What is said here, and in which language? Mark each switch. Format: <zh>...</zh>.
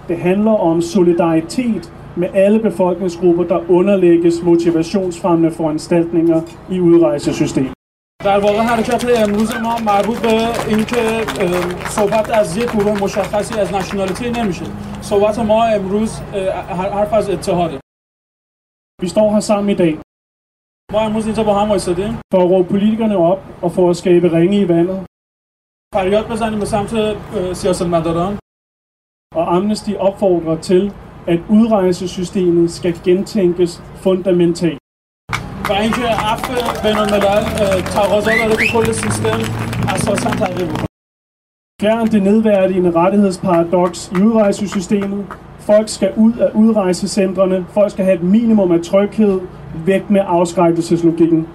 <da>Det handler om solidaritet med alle befolkningsgrupper, der underlægges motivationsfremmende foranstaltninger i udrejsesystemet.</da> <fa>در واقع حرکت امروز ما مربوط به اینکه صحبت از یک گروه مشخصی از نشنالیتی نمیشه. صحبت ما امروز حرف از اتحاده.</fa> <da>Vi står her sammen i dag.</da> <fa>ما امروز اینجا با هم ایستادیم.</fa> <da>For at råbe politikerne op og for at skabe ringe i vandet.</da> <fa>فریاد بزنیم به سمت سیاستمداران.</fa> <da>Og Amnesty opfordrer til, at udrejsesystemet skal gentænkes fundamentalt.</da> <fa>و اینکه عفو بین‌الملل تقاضا داره که کل سیستم اساساً تغییر بکنه.</fa> <da>Fjern det nedværdigende rettighedsparadox i udrejsesystemet. Folk skal ud af udrejsecentrene. Folk skal have et minimum af tryghed. Væk med afskrækkelseslogikken.</da>